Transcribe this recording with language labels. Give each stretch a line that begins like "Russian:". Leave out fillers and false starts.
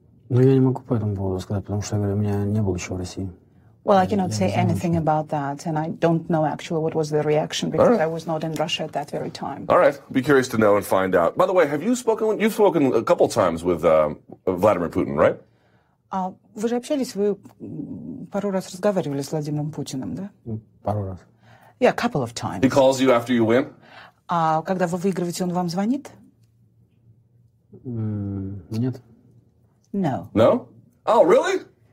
Russian: Ну, я не могу по этому поводу сказать, потому что, я говорю, у меня не было еще в России.
English: Well, I cannot say anything about that, and I don't know actually what was the reaction because I was not in Russia at that very time. All right. Be curious to know and find out. By the way, have you spoken? You've spoken a couple times with Vladimir Putin, right?
Russian: Вы же общались, вы пару раз разговаривали с Владимиром Путиным, да? Пару раз.
English: Yeah, a couple of times. He calls you after you win?
Russian: А когда вы выигрываете, он вам звонит? Нет.
English: No. No? Oh, really?